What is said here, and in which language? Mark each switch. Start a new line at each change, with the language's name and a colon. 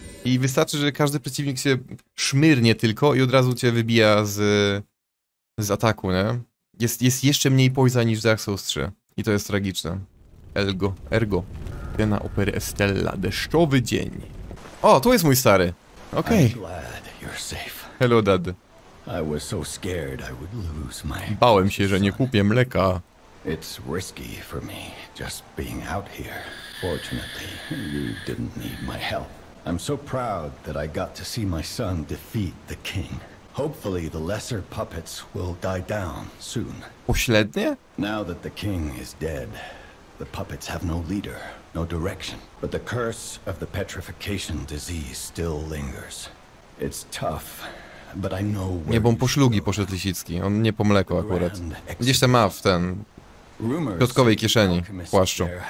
Polish: I wystarczy, że każdy przeciwnik się szmyrnie tylko i od razu cię wybija z ataku, nie? Jest jeszcze mniej poiza niż w Dark Souls 3. I to jest tragiczne. Ergo. Na opery Estella, deszczowy dzień. O, tu jest mój stary. Okej.
English: Hello, dad. I was so scared I would lose my...
Polish: Bałem się, że nie kupię mleka.
English: It's risky for me just being out here. Fortunately, you didn't need my help. I'm so proud that I got to see my son defeat the king. Hopefully the lesser puppets will die down soon.
Polish: Pośrednie?
English: Now that the king is dead, the puppets have no leader, no direction. But the curse of the petrification disease still lingers. It's tough. But I know where...
Polish: Nie, bo on po szlugi poszedł Lisicki. On nie po mleko akurat. Gdzieś tam ma w ten... piotkowej kieszeni, płaszczu.